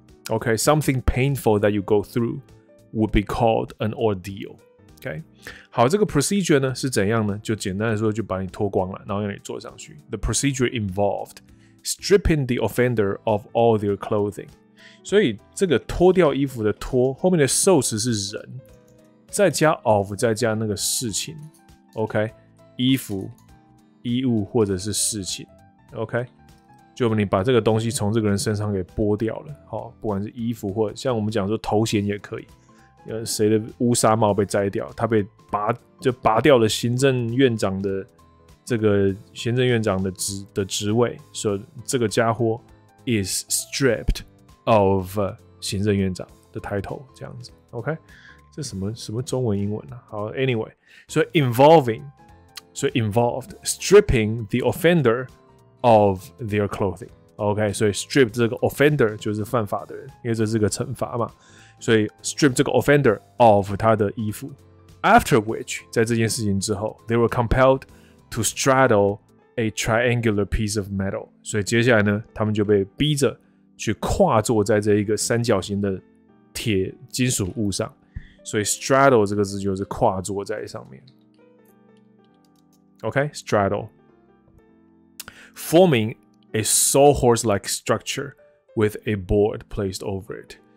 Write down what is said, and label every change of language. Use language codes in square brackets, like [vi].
[en] OK， something painful that you go through would be called an ordeal。 [zh] OK， 好，这个 procedure 呢是怎样呢？就简单的说，就把你脱光了，然后让你坐上去。 [en] The procedure involved stripping the offender of all their clothing。 [zh] 所以这个脱掉衣服的脱后面的受词是人，再加 of 再加那个事情。 OK， 衣服。衣物或者是事情 ，OK， 就你把这个东西从这个人身上给剥掉了，好，不管是衣服或者像我们讲说头衔也可以，谁的乌纱帽被摘掉，他被拔掉了行政院长的这个行政院长的职位，所以这个家伙 [en] is stripped of [zh] 行政院长的 title， 这样子 ，OK， 这什么中文英文啊？好 ，Anyway， 所以 involving。 [en] So involved stripping the offender of their clothing. [zh] OK, so strip 这个 offender 就是犯法的人，因为这是个惩罚嘛。所以 [en] strip 这个 offender of [zh] 他的衣服。 [en] After which, [zh] 在这件事情之后 [en] they were compelled to straddle a triangular piece of metal. [zh] 所以接下来呢，他们就被逼着去跨坐在这一个三角形的铁金属物上。 [en] 所以 straddle [zh] 这个字就是跨坐在上面。 [en] Okay, straddle, forming a sawhorse-like structure with a board placed over it.